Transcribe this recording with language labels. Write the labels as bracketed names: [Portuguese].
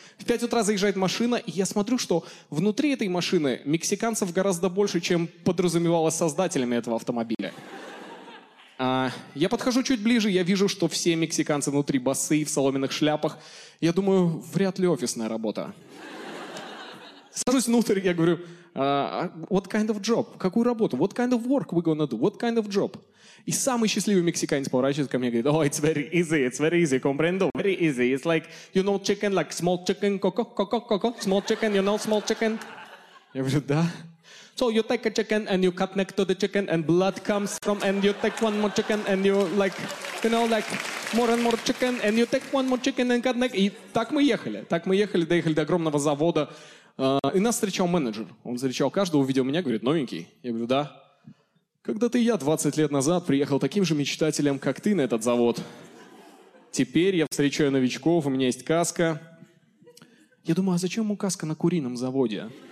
[Russian] В 5 утра заезжает машина, и я смотрю, что внутри этой машины мексиканцев гораздо больше, чем подразумевалось создателями этого автомобиля. Я подхожу чуть ближе, я вижу, что все мексиканцы внутри босые, в соломенных шляпах. Я думаю, вряд ли офисная работа. Сажусь внутрь, я говорю, [English] what kind of job? [Russian] Какую работу? [English] What kind of work we gonna do? What kind of job? [Russian] И самый счастливый мексиканец поворачивается ко мне и говорит, [English] oh, it's very easy, comprendo, very easy. It's like, you know chicken, like small chicken, coco, small chicken, you know small chicken? [Russian] Я говорю, да. [English] So you take a chicken and you cut neck to the chicken and blood comes from and you take one more chicken and you like, you know, like more and more chicken and you take one more chicken and cut neck. [Russian] И так мы ехали. Так мы ехали, доехали до огромного завода. И нас встречал менеджер. Он встречал каждого, увидел меня, говорит, новенький. Я говорю, да. Когда-то я 20 лет назад приехал таким же мечтателем, как ты, на этот завод. Теперь я встречаю новичков, у меня есть каска. Я думаю, а зачем ему каска на курином заводе?